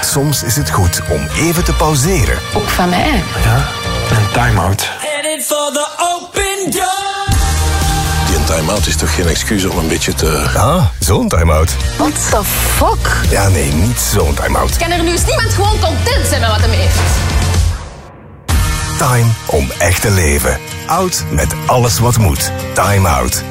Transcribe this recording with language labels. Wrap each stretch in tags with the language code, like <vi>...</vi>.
<nl>Soms is het goed om even te pauzeren. Ook van mij. Ja, een time-out.</nl> <en>Headed for the open door.</en> <nl>Die een time-out is toch geen excuus om een beetje te... Ah, zo'n time-out.</nl> <en>What the fuck?</en> <nl>Ja, nee, niet zo'n time-out. Kan er nu eens niemand gewoon content zijn met wat hem heeft? Time om echt te leven. Out met alles wat moet. Time-out.</nl>